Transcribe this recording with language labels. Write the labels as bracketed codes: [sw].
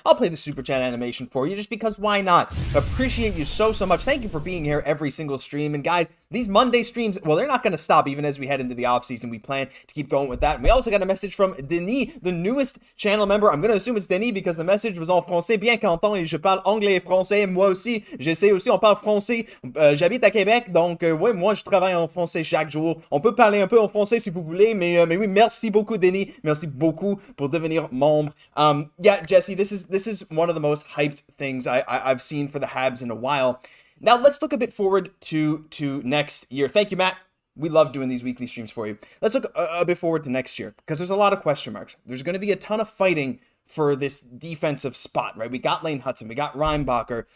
[en] I'll play the Super Chat animation for you just because why not? Appreciate you so, so much. Thank you for being here every single stream. And guys, these Monday streams, well, they're not going to stop even as we head into the offseason. We plan to keep going with that. And we also got a message from Denis, the newest channel member. I'm going to assume it's Denis because the message was [fr] en français. Bien qu'entend, je parle anglais et français. Moi aussi, j'essaie aussi, on parle français. J'habite à Québec, donc oui, moi, je travaille en français chaque jour. On peut parler un peu en français si vous voulez, mais oui, merci beaucoup, Denis. Merci beaucoup pour devenir membre. [en] Yeah, Jesse, this is one of the most hyped things I've seen for the Habs in a while. Now, let's look a bit forward to next year. Thank you, Matt. We love doing these weekly streams for you. Let's look a bit forward to next year, because there's a lot of question marks. There's going to be a ton of fighting for this defensive spot, right? We got Lane Hutson. We got Reinbacher.